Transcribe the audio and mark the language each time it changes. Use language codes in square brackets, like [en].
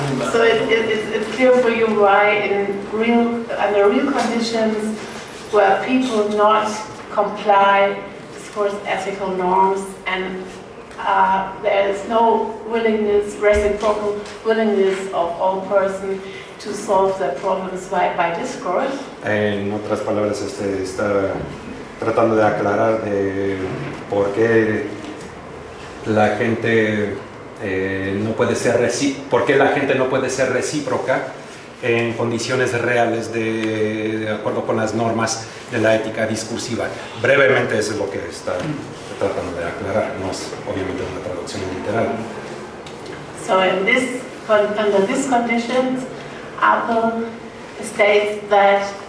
[en] So it's clear for you why in real, under real conditions where people not comply towards ethical norms and there is no willingness, reciprocal willingness of all person to solve their problems by discourse. [es] En otras palabras, está tratando de aclarar de por qué la gente no puede ser recíproca en condiciones reales de acuerdo con las normas de la ética discursiva. Brevemente eso es lo que está tratando de aclarar, no es obviamente una traducción literal. [en] So in this, under these conditions, Apel states that,